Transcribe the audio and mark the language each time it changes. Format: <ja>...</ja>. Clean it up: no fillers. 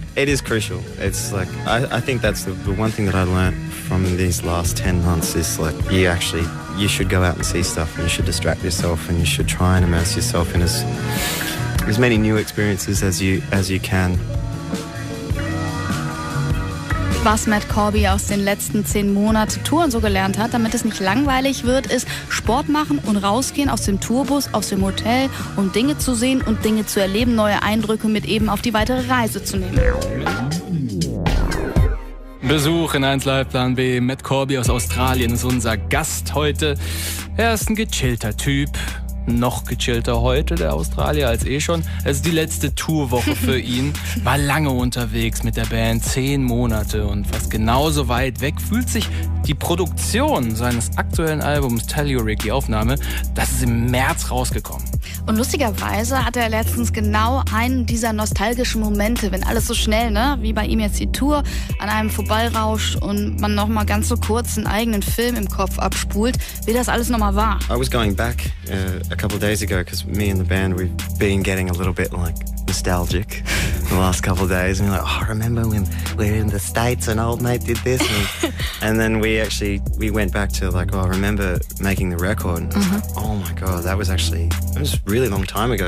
<en>It is crucial. It's like, I think that's the one thing that I learned from these last 10 months is like, you should go out and see stuff and you should distract yourself and you should try and immerse yourself in as many new experiences as you can.</en> <de>Was Matt Corby aus den letzten 10 Monaten Touren so gelernt hat, damit es nicht langweilig wird, ist Sport machen und rausgehen aus dem Tourbus, aus dem Hotel, um Dinge zu sehen und Dinge zu erleben, neue Eindrücke mit eben auf die weitere Reise zu nehmen. Besuch in 1 Live Plan B. Matt Corby aus Australien ist unser Gast heute. Er ist ein gechillter Typ. Noch gechillter heute, der Australier, als eh schon. Es ist die letzte Tourwoche für ihn. War lange unterwegs mit der Band, 10 Monate. Und fast genauso weit weg fühlt sich die Produktion seines aktuellen Albums Tell You Rick, die Aufnahme, das ist im März rausgekommen. Und lustigerweise hatte er letztens genau einen dieser nostalgischen Momente, wenn alles so schnell, ne, wie bei ihm jetzt die Tour, an einem vorbeirauscht und man nochmal ganz so kurz einen eigenen Film im Kopf abspult, wie das alles nochmal war.</de> <en>I was going back a couple of days ago, because me and the band, we've been getting a little bit like nostalgic the last couple of days. And we're like, oh, I remember when we were in the States and old mate did this. And then we went back to like, oh, I remember making the record. And I was like, oh my God, that was actually, it was a really long time ago.</en>